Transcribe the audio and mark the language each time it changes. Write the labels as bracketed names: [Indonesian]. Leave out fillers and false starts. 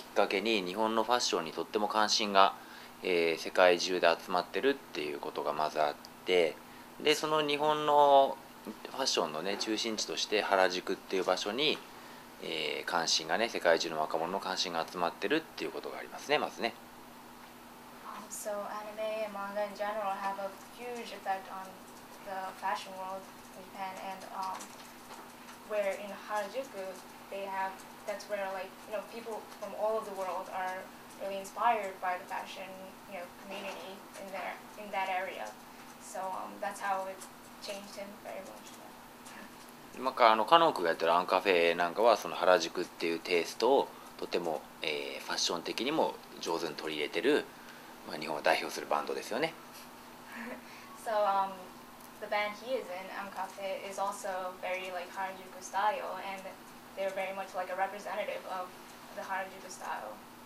[Japanese] 自分に関わる感じでどういうふうに。あ、我々ってこと？そうです。ああ、なるほどね。アニメをねきっかけに日本のファッションにとっても関心が世界中で集まってるっていうことがまずあって、でその日本のファッションのね中心地として原宿っていう場所に、関心がね世界中の若者の関心が集まってるっていうことがありますねまずね。 [English] So anime and manga in general have a huge effect on the fashion world in Japan and where in Harajuku they have that's where like you know people from all of the world are. Really inspired by the fashion, you know, community in there, in that area. So that's how it changed him very much. [Japanese] まあ、あのカノクがやってるアンカフェなんかはその原宿っていうテイストをとても、ファッション的にも上手に取り入れてる、まあ、日本を代表するバンドですよね。 [English] So the band he is in, アンカフェ is also very like Harajuku style, and they're very much like a representative of the Harajuku style.